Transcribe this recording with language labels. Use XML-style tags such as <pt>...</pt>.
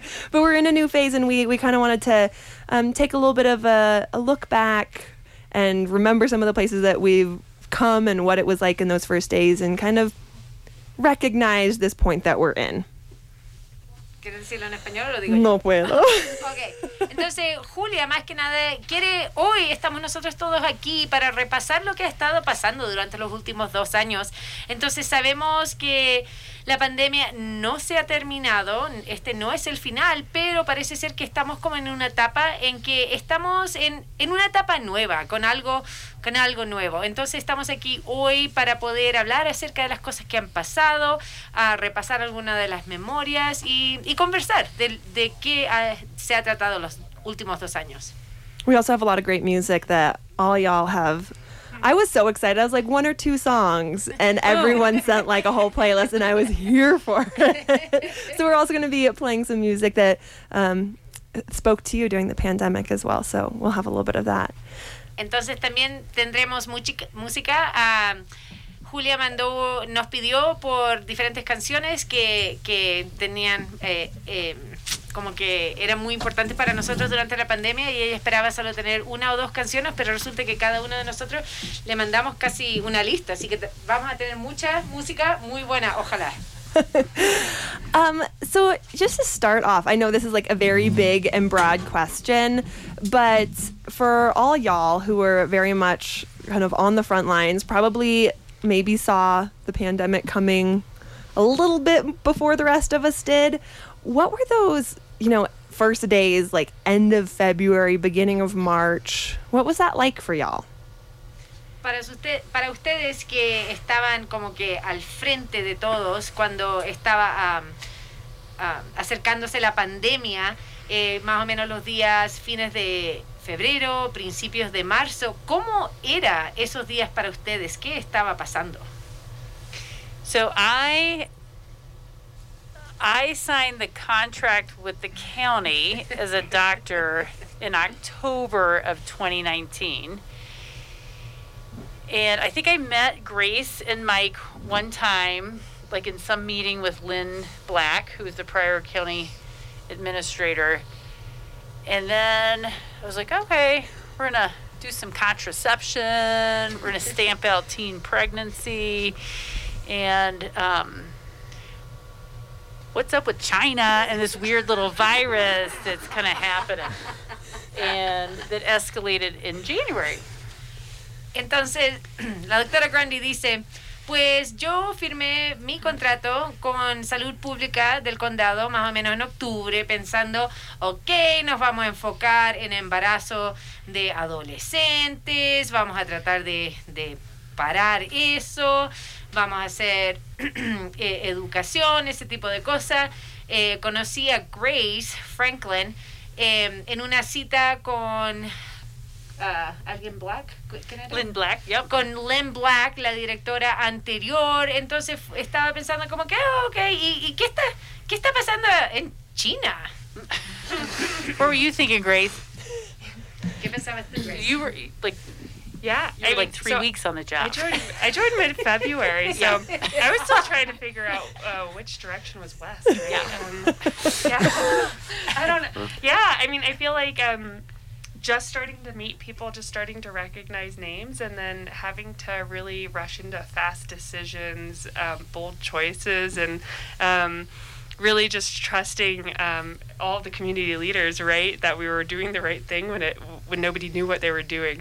<en>But we're in a new phase, and we kind of wanted to take a little bit of a look back and remember some of the places that we've come and what it was like in those first days and kind of recognize this point that we're in.</en> <es>¿Quieres decirlo en español o digo yo? No puedo.</es> <en>Okay.</en> <es>Entonces, Julia, más que nada, hoy estamos nosotros todos aquí para repasar lo que ha estado pasando durante los últimos 2 años. Entonces, sabemos que la pandemia no se ha terminado, este no es el final, pero parece ser que estamos como en una etapa en que estamos en una etapa nueva, con algo nuevo. Entonces estamos aquí hoy para poder hablar acerca de las cosas que han pasado, a repasar alguna de las memorias y conversar de qué se ha tratado los últimos 2 años.</es> <en>We also have a lot of great music that all y'all have. I was so excited. I was like, 1 or 2 songs, and everyone sent like a whole playlist, and I was here for it. So we're also going to be playing some music that spoke to you during the pandemic as well. So we'll have a little bit of that.</en> <es>Entonces también tendremos música. Julia nos pidió por diferentes canciones que tenían como que era muy importante para nosotros durante la pandemia, y ella esperaba solo tener una o dos canciones, pero resulta que cada uno de nosotros le mandamos casi una lista, así que vamos a tener mucha música muy buena, ojalá.</es> <en>So just to start off, I know this is like a very big and broad question, but for all y'all who were very much kind of on the front lines, probably maybe saw the pandemic coming a little bit before the rest of us did, what were those, you know, first days, like end of February, beginning of March, what was that like for y'all?</en> <es>Para ustedes que estaban como que al frente de todos cuando estaba acercándose la pandemia, más o menos los días fines de febrero, principios de marzo, ¿cómo era esos días para ustedes? ¿Qué estaba pasando?</es> <en>So I signed the contract with the county as a doctor in October of 2019. And I think I met Grace and Mike one time, like in some meeting with Lynn Black, who's the prior county administrator. And then I was like, okay, we're gonna do some contraception. We're gonna stamp out teen pregnancy. And what's up with China and this weird little virus that's kind of happening and that escalated in January?</en> <es>Entonces, la doctora Grundy dice, pues yo firmé mi contrato con Salud Pública del Condado más o menos en octubre, pensando, ok, nos vamos a enfocar en embarazo de adolescentes, vamos a tratar de parar eso, vamos a hacer educación, ese tipo de cosas. Conocí a Grace Franklin en una cita con... alguien Black,</es> <en>Lynn Black, yep.</en> <es>Con Lynn Black, la directora anterior. Entonces estaba pensando como que, oh, okay, ¿y qué está pasando en China?</es> <en>What were you thinking, Grace?</en> <es>¿Qué pensabas tú, Grace?</es> <en>You were like, yeah, you were, I mean, like three weeks on the job. I joined mid February, so yeah. I was still trying to figure out which direction was west. Right? I feel like just starting to meet people, just starting to recognize names, and then having to really rush into fast decisions, bold choices, and really just trusting all the community leaders, right, that we were doing the right thing when nobody knew what they were doing.</en>